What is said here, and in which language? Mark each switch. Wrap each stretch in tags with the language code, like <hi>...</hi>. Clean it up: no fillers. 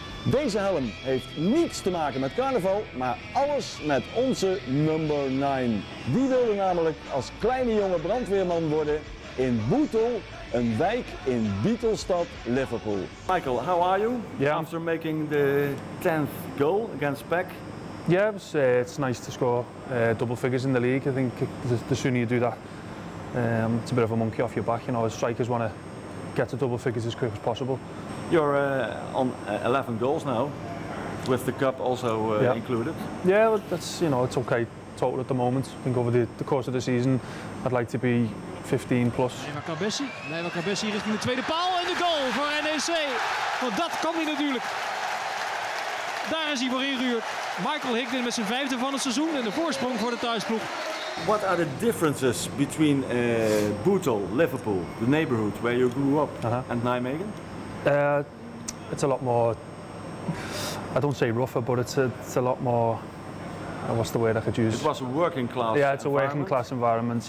<nl>Deze helm heeft niets te maken met carnaval, maar alles met onze number 9. Die wilde namelijk als kleine jonge brandweerman worden in Bootle, een wijk in Beatlestad, Liverpool.</nl> <en>Michael, how are you? Yeah. After making the 10th goal against Peck? Yeah, it's nice to score double figures in the league. I think the sooner you do that, it's a bit of a monkey off your back. You know, as strikers want to get to double figures as quick as possible. You're on 11 goals now, with the cup also included. Yeah, well, that's, you know, it's okay total at the moment. I think over the course of the season, I'd like to be 15 plus.</en> <nl>Leiva Cabessi richting de tweede paal en de goal voor NEC. Want dat kan hij natuurlijk. Daar is hij voor ingehuurd. Michael Higdon met zijn vijfde van het seizoen en de voorsprong voor de thuisploeg.</nl> <en>What are the differences between Bootle, Liverpool, the neighborhood where you grew up, and Nijmegen? It's a lot more, I don't say rougher, but it's a lot more, what's the word I could use? It was a working class. Yeah, it's a working class environment.</en>